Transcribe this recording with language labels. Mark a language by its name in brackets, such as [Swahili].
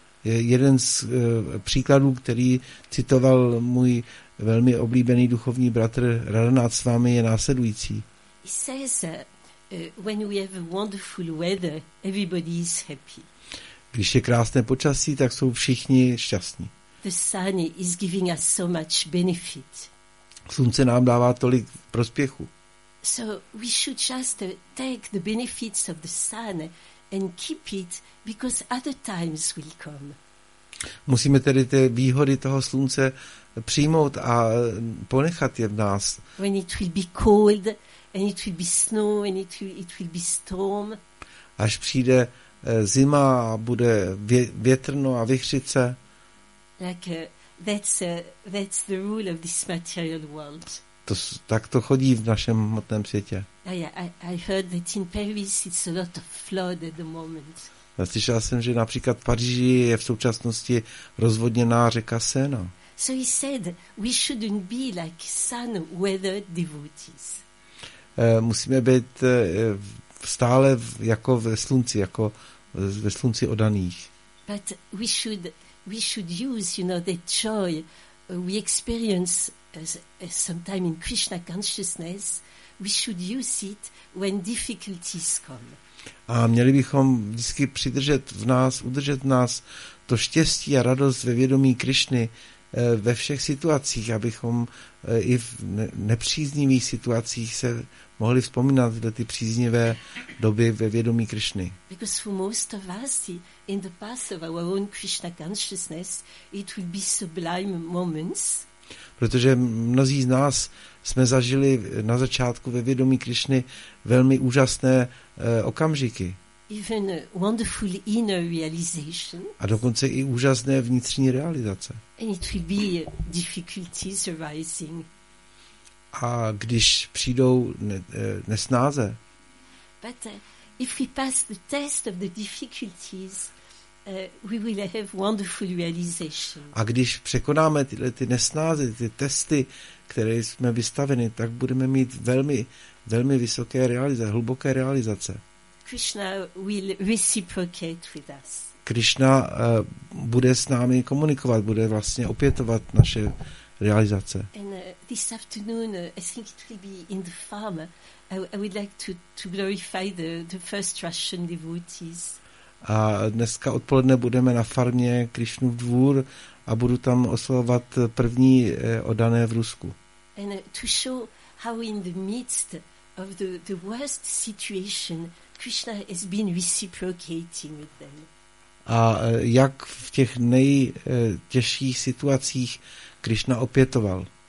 [Czech] Jeden z příkladů, který citoval můj velmi oblíbený duchovní bratr Radhanath Swami, je následující. [English] He says, when we have a wonderful weather, everybody is happy. [Czech] Když je krásné počasí, tak jsou všichni šťastní. [English] The sun is giving us so much benefit. [Czech] Slunce nám dává tolik prospěchu. [English] So we should just take the benefits of the sun and keep it because other times will come. [Czech] Musíme tedy ty výhody toho slunce přijmout a ponechat je v nás. [English] When it will be cold and it will be snow and it will be storm. [Czech] Až přijde zima a bude větrno a vichřice. [English] Like that's the rule of this material world. [Czech] Tak to chodí v našem hmotném světě. [English] I heard that in Paris it's a lot of flood at the moment. [Czech] Slyšel jsem, že například v Paříži je v současnosti rozvodněná řeka Sena. [English] So he said we shouldn't be like sun weathered devotees. [Czech] Musíme být stále jako ve slunci, jako ve slunci odaných. [English] But we should use, you know, the joy we experience as sometime in Krishna consciousness, we should use it when difficulties come. [Czech] A měli bychom vždycky udržet v nás to štěstí a radost ve vědomí Krišny ve všech situacích, abychom i v nepříznivých situacích se mohli vzpomínat na ty příznivé doby ve vědomí Krišny. [English] Because for most of us, in the path of our own Krishna consciousness, it will be sublime moments. [Czech] Protože mnozí z nás jsme zažili na začátku ve vědomí Krišny velmi úžasné okamžiky. [English] Even wonderful inner realization. [Czech] A dokonce i úžasné vnitřní realizace. [English] And it will be difficulties arising. [Czech] A když přijdou nesnáze. [English] But if we pass the test of the difficulties, we will have wonderful realization. [Czech] A když překonáme tyhle ty nesnáze, ty testy, které jsme vystaveni, tak budeme mít velmi, velmi vysoké realizace, hluboké realizace. [English] Krishna will reciprocate with us. [Czech] Krishna bude s námi komunikovat, bude vlastně opětovat naše realizace. [English] And this afternoon, I think it will be in the farm. I would like to glorify the first Russian devotees. [Czech] A dneska odpoledne budeme na farmě Krišnův dvůr a budu tam oslavovat první oddané v Rusku. [English] And to show how in the midst of the worst situation Krishna has been reciprocating with them. [Czech] A jak v těch nejtěžších situacích Krishna opětoval.